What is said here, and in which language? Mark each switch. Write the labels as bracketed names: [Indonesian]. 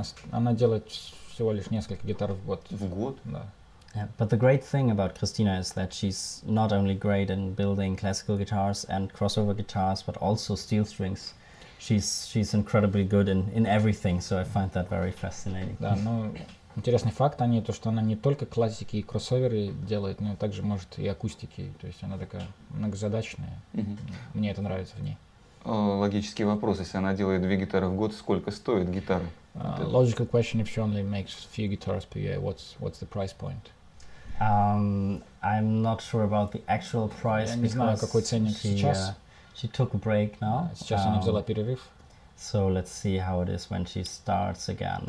[Russian] Она делает всего лишь несколько гитар в год. В год, да. [English] But the great thing about Christina is that she's not only great in building classical guitars and crossover guitars, but also steel strings. She's incredibly good in everything. So I find that very fascinating. [Russian] Да, но интересный факт о ней то, что она не только классики и кроссоверы делает, но также может и акустики. То есть она такая многозадачная. Mm-hmm. Мне это нравится в ней. Логический вопрос. Если она делает две гитары в год, сколько стоит гитара? [English] Logical question. If she only makes a few guitars per year, what's the price point? I'm not sure about the actual price. [Russian] Я не знаю, какой ценник сейчас. [English] She took a break now. [Russian] Сейчас она взяла перерыв. [English] So let's see how it is when she starts again.